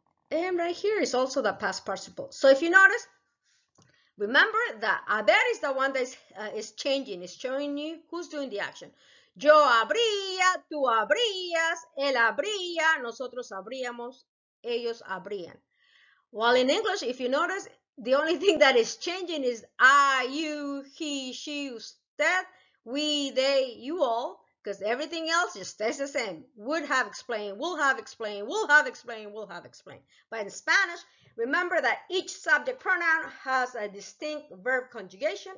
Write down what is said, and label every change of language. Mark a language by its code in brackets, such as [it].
[en] And right here is also the past participle. So if you notice, remember that haber is the one that is changing. It's showing you who's doing the action. [es] Yo habría, tú habrías, él habría, nosotros habríamos, ellos habrían. [en] While in English, if you notice, the only thing that is changing is I, you, he, she, usted, we, they, you all, because everything else just stays the same. Would have explained, will have explained, will have explained, will have explained. But in Spanish, remember that each subject pronoun has a distinct verb conjugation.